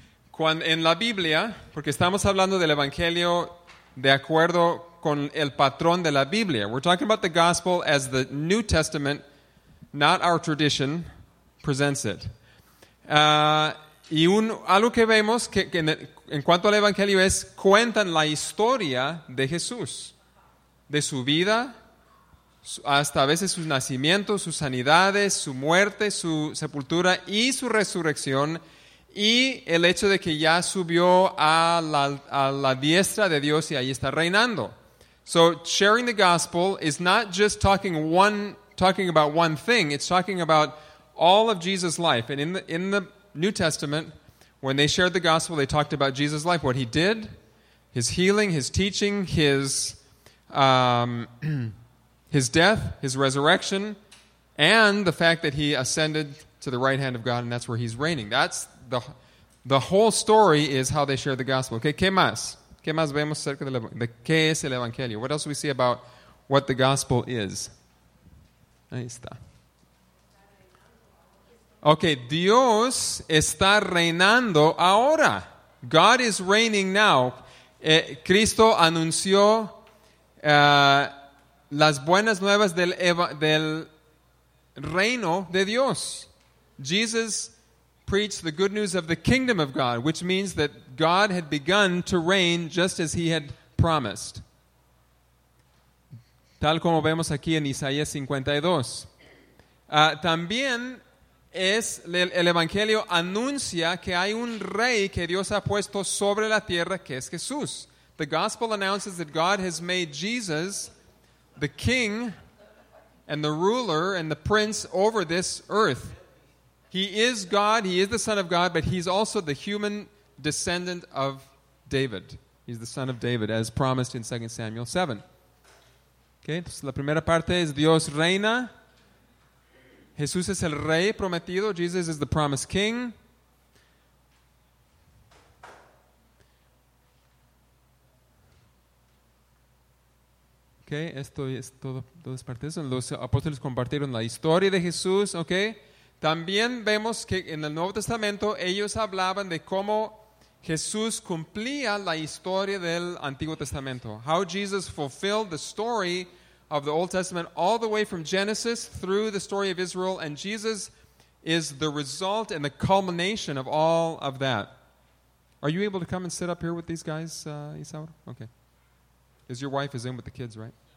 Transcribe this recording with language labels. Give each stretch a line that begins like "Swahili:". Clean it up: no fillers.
Spanish: Cuando, en la Biblia, porque estamos hablando del Evangelio de acuerdo con el patrón de la Biblia.
English: We're talking about the gospel as the New Testament, not our tradition, presents it.
Spanish: Algo que vemos que en cuanto al Evangelio es, cuentan la historia de Jesús, de su vida, hasta a veces sus nacimientos, sus sanidades, su muerte, su sepultura y su resurrección, y el hecho de que ya subió a la diestra de Dios y ahí está reinando.
English: So sharing the gospel is not just talking about one thing, it's talking about all of Jesus' life. And in the New Testament, when they shared the gospel, they talked about Jesus' life, what he did, his healing, his teaching, his death, his resurrection, and the fact that he ascended to the right hand of God, and that's where he's reigning. That's the whole story is how they share the gospel.
Spanish: Okay, ¿qué más? ¿Qué más vemos acerca de qué es el Evangelio?
English: What else do we see about what the gospel is?
Spanish: Ahí está. Okay, Dios está reinando ahora.
English: God is reigning now.
Spanish: Cristo anunció las buenas nuevas del reino de Dios.
English: Jesus preached the good news of the kingdom of God, which means that God had begun to reign just as he had promised.
Spanish: Tal como vemos aquí en Isaías 52. También es el Evangelio anuncia que hay un rey que Dios ha puesto sobre la tierra, que es Jesús.
English: The gospel announces that God has made Jesus the king and the ruler and the prince over this earth. He is God, he is the Son of God, but he's also the human descendant of David. He's the son of David, as promised in 2 Samuel 7. Okay,
Spanish: entonces la primera parte es Dios reina. Jesús es el rey prometido.
English: Jesus is the promised king.
Spanish: Okay, esto es todo, todas partes. Los apóstoles compartieron la historia de Jesús. Okay, también vemos que en el Nuevo Testamento ellos hablaban de cómo Jesús cumplía la historia del Antiguo Testamento.
English: How Jesus fulfilled the story of the Old Testament all the way from Genesis through the story of Israel, and Jesus is the result and the culmination of all of that. Are you able to come and sit up here with these guys, Isaura? Okay. Is your wife is in with the kids, right?